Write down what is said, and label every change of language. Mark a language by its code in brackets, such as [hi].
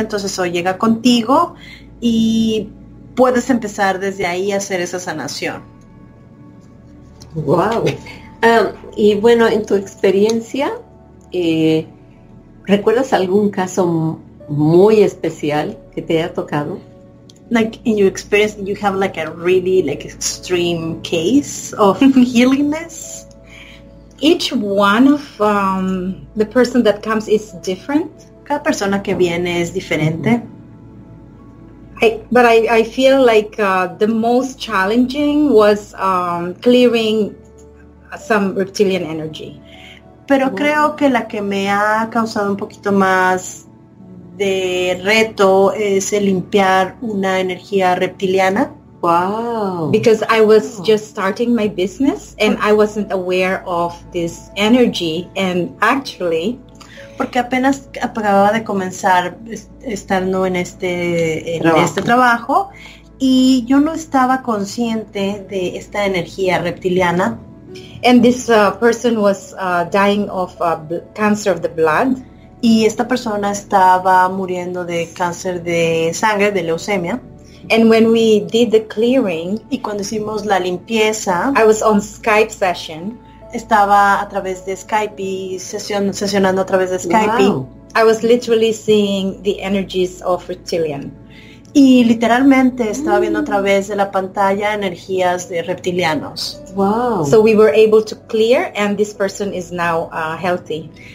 [es] Entonces hoy llega contigo y puedes empezar desde ahí a hacer esa sanación. [en] Wow. [es] Y bueno, en tu experiencia, ¿recuerdas algún caso muy especial que te haya tocado? [en] Like in your experience, you have like a really like extreme case of healingness. Each one of the person that comes is different. [es] Cada persona que viene es diferente. [en] But I feel like the most challenging was clearing some reptilian energy. [es] Pero creo que la que me ha causado un poquito más de reto es el limpiar una energía reptiliana. [en] Wow. Because I was just starting my business and I wasn't aware of this energy, and actually, [es] porque apenas acababa de comenzar estando en este trabajo y yo no estaba consciente de esta energía reptiliana. [en] And this person was dying of cancer of the blood. [es] Y esta persona estaba muriendo de cáncer de sangre, de leucemia. [en] And when we did the clearing, [es] y cuando hicimos la limpieza, [en] I was on Skype session. [es] Estaba a través de Skype, sesionando a través de Skype. [en] Wow. I was literally seeing the energies of reptilian. [es] Y literalmente estaba viendo a través de la pantalla energías de reptilianos. [en] Wow. So we were able to clear and this person is now healthy.